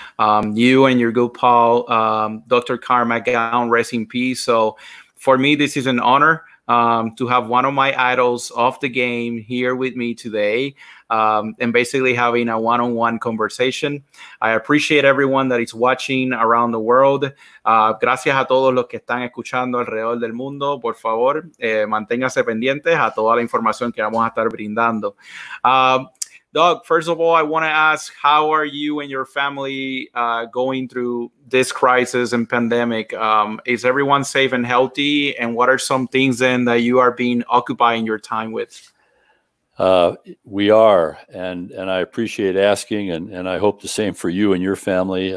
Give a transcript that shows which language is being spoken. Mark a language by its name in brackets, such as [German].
[English] You and your good pal, Dr. Carmack, rest in peace. So for me, this is an honor to have one of my idols of the game here with me today, and basically having a one-on-one conversation. I appreciate everyone that is watching around the world. [Spanish] Gracias a todos los que están escuchando alrededor del mundo. Por favor, manténgase pendientes a toda la información que vamos a estar brindando. [English] Doug, first of all, I want to ask, how are you and your family going through this crisis and pandemic? Is everyone safe and healthy? And what are some things then that you are being occupying your time with? We are, and I appreciate asking, and I hope the same for you and your family.